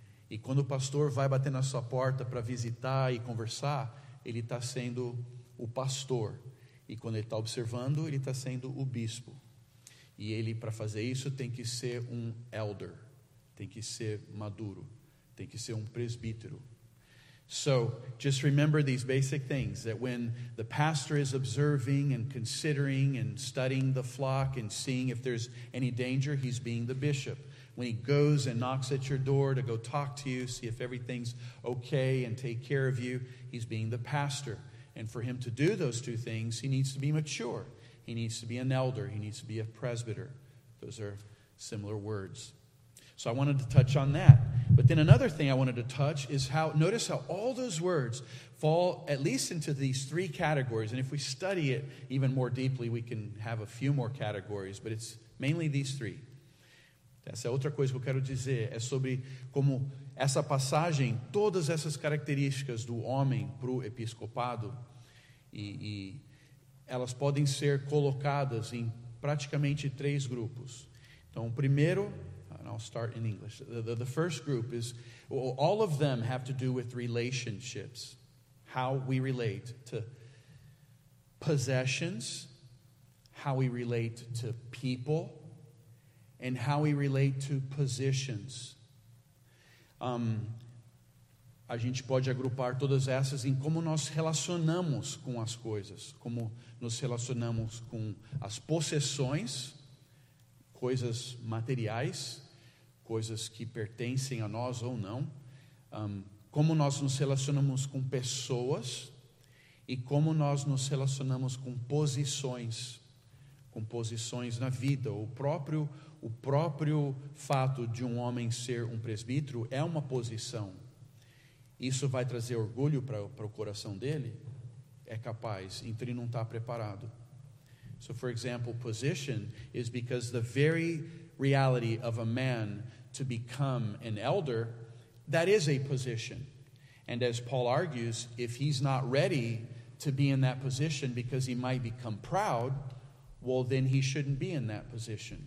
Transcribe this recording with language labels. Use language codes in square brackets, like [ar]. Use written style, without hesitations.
[pt] E quando o pastor vai bater na sua porta para visitar e conversar, ele está sendo o pastor. E quando ele está observando, ele está sendo o bispo. E ele, para fazer isso, tem que ser elder. Tem que ser maduro. Tem que ser presbítero. [en] So, just remember these basic things, that when the pastor is observing and considering and studying the flock and seeing if there's any danger, he's being the bishop. When he goes and knocks at your door to go talk to you, see if everything's okay and take care of you, he's being the pastor. And for him to do those two things, he needs to be mature. He needs to be an elder. He needs to be a presbyter. Those are similar words. So I wanted to touch on that. But then another thing I wanted to touch is how, notice how all those words fall at least into these three categories. And if we study it even more deeply, we can have a few more categories. But it's mainly these three. [pt] Essa é outra coisa que eu quero dizer, é sobre como essa passagem, todas essas características do homem para o episcopado, e elas podem ser colocadas em praticamente três grupos. Então, o primeiro, [en] and I'll start in English, the first group is, well, all of them have to do with relationships, how we relate to possessions, how we relate to people, and how we relate to positions. [pt] A gente pode agrupar todas essas em como nós relacionamos com as coisas, como nos relacionamos com as possessões, coisas materiais, coisas que pertencem a nós ou não, como nós nos relacionamos com pessoas e como nós nos relacionamos com posições na vida. O próprio fato de homem ser presbítero é uma posição. Isso vai trazer orgulho para o coração dele? É capaz, então ele não está preparado. [en] So, for example, position is because the very reality of a man to become an elder, that is a position. And as Paul argues, if he's not ready to be in that position because he might become proud, well, then he shouldn't be in that position.